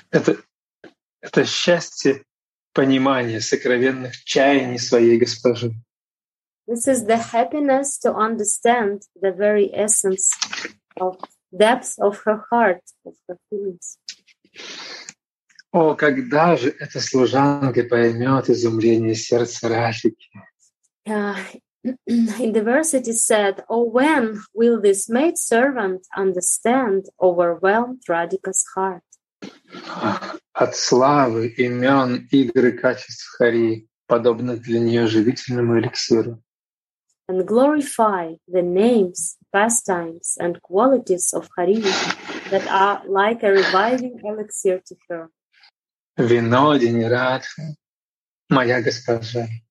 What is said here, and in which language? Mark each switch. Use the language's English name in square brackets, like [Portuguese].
[Russian] Это счастье понимания сокровенных чаяний своей госпожи. [English] This is the happiness to understand the very essence of depth of her heart, of her feelings. [Russian] О, когда же эта служанка поймет изумление сердца Рафики? [English] In the verse it is said, oh, when will this maidservant understand overwhelmed Radhika's heart? [Russian] От славы, имен, игр и качеств Хари, подобно для нее живительному эликсиру. [English] And glorify the names, pastimes, and qualities of Хари that are like a reviving elixir to her. [Russian] Винодини Радха, моя госпожа.